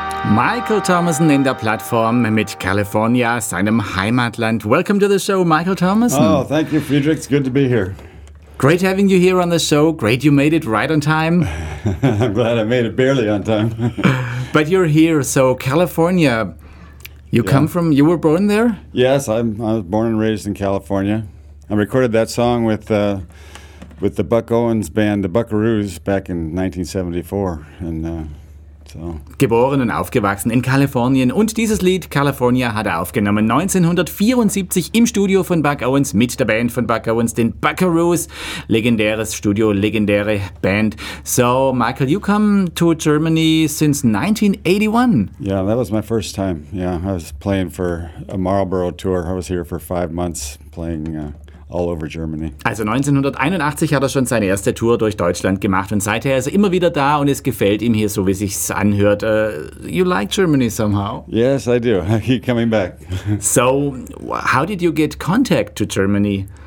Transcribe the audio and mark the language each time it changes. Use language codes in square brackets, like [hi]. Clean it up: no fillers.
[de] Michael Thomason in der Plattform mit California, seinem Heimatland. [en] Welcome to the show, Michael Thomason. Oh, thank you, Friedrich. It's good to be here. Great having you here on the show. Great you made it right on time. I'm glad I made it barely on time. But you're here, so California, you were born there? Yes, I was born and raised in California. I recorded that song with the Buck Owens band, the Buckaroos, back in 1974. So. [de] Geboren und aufgewachsen in Kalifornien, und dieses Lied California hat er aufgenommen 1974 im Studio von Buck Owens mit der Band von Buck Owens, den Buckaroos, legendäres Studio, legendäre Band. [en] So, Michael, you come to Germany since 1981. Yeah, that was my first time. Yeah, I was playing for a Marlboro tour. I was here for 5 months playing all over Germany. [de] Also 1981 hat er schon seine erste Tour durch Deutschland gemacht, und seither ist er immer wieder da und es gefällt ihm hier, so wie sich's anhört. [en] You like Germany somehow? Yes, I do. I keep coming back. So, how did you get contact to Germany?